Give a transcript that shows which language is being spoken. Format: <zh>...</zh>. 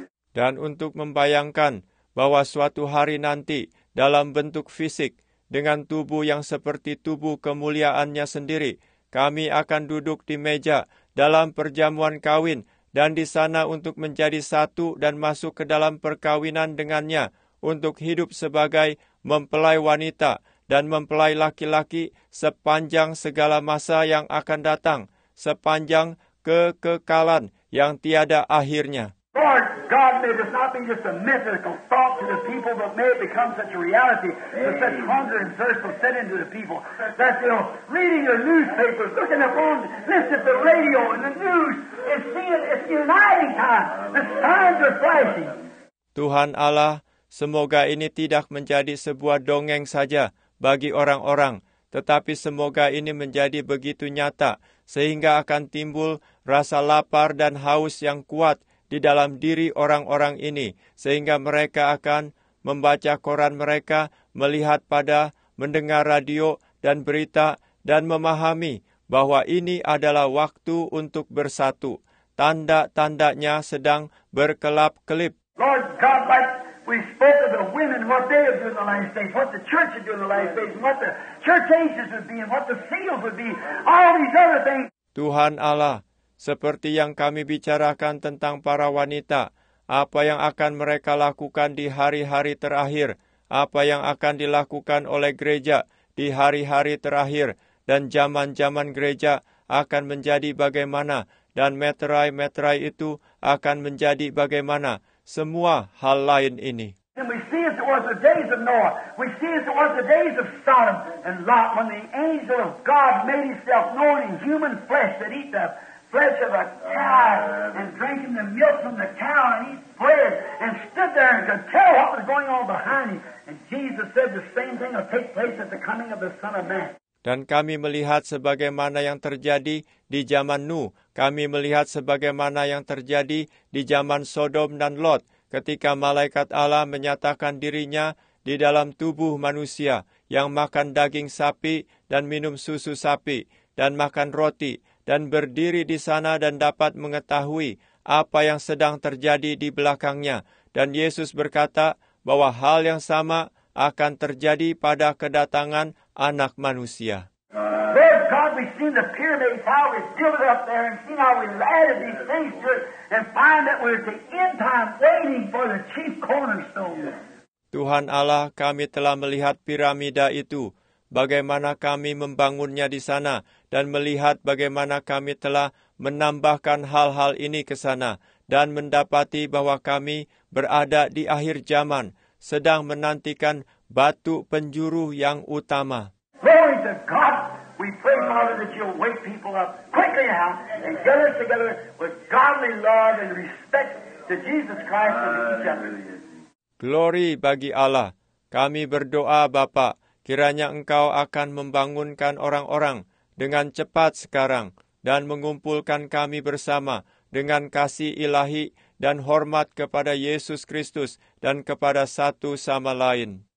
<id>Dan untuk membayangkan bahwa suatu hari nanti dalam bentuk fisik dengan tubuh yang seperti tubuh kemuliaannya sendiri, kami akan duduk di meja dalam perjamuan kawin dan di sana untuk menjadi satu dan masuk ke dalam perkawinan dengannya untuk hidup sebagai mempelai wanita dan mempelai laki-laki sepanjang segala masa yang akan datang, sepanjang kekekalan yang tiada akhirnya.</id> <en>Lord God, may this not be just a mythical thought to the people, but may it become such a reality that such hunger and thirst will set into the people. That you know, reading your newspapers, looking at phones, listening to the radio and the news, and seeing it's uniting time. The signs are flashing.</en> <id>Tuhan Allah, semoga ini tidak menjadi sebuah dongeng saja bagi orang-orang, tetapi semoga ini menjadi begitu nyata, sehingga akan timbul rasa lapar dan haus yang kuat di dalam diri orang-orang ini, sehingga mereka akan membaca koran mereka, melihat pada, mendengar radio dan berita, dan memahami bahwa ini adalah waktu untuk bersatu. Tanda-tandanya sedang berkelap-kelip.</id> <en>Lord God, like we spoke of the women, what they would do in the last days, what the church would do in the last days, what the church ages would be, and what the seals would be, all these other things.</en> <id>Tuhan Allah, seperti yang kami bicarakan tentang para wanita, apa yang akan mereka lakukan di hari-hari terakhir, apa yang akan dilakukan oleh gereja di hari-hari terakhir, dan zaman-zaman gereja akan menjadi bagaimana, dan meterai-meterai itu akan menjadi bagaimana, semua hal lain ini.</id> <en>And we see as it was the days of Noah. We see as it was the days of Sodom and Lot when the angel of God made himself known in human flesh that eat the flesh of a cow and drank the milk from the cow and eat bread and stood there and could tell what was going on behind him. And Jesus said the same thing will take place at the coming of the Son of Man.</en> <id>Dan kami melihat sebagaimana yang terjadi di zaman Nuh. Kami melihat sebagaimana yang terjadi di zaman Sodom dan Lot. Ketika malaikat Allah menyatakan dirinya di dalam tubuh manusia yang makan daging sapi dan minum susu sapi dan makan roti dan berdiri di sana dan dapat mengetahui apa yang sedang terjadi di belakangnya. Dan Yesus berkata bahwa hal yang sama akan terjadi pada kedatangan Anak Manusia.</id> <en>Lord God, we've seen the pyramids, how we built it up there, and seen how we added these things to it, and find that we're at the end time waiting for the chief cornerstone.</en> <id>Tuhan Allah, kami telah melihat piramida itu, bagaimana kami membangunnya di sana, dan melihat bagaimana kami telah menambahkan hal-hal ini ke sana, dan mendapati bahwa kami berada di akhir zaman, sedang menantikan batu penjuru yang utama.</id> <en>Glory to God! We pray, Father, that you'll wake people up quickly now, and get us together with godly love and respect to Jesus Christ and each other.</en> <id>Glory bagi Allah. Kami berdoa, Bapa, kiranya Engkau akan membangunkan orang-orang dengan cepat sekarang dan mengumpulkan kami bersama dengan kasih ilahi dan hormat kepada Yesus Kristus dan kepada satu sama lain.</id>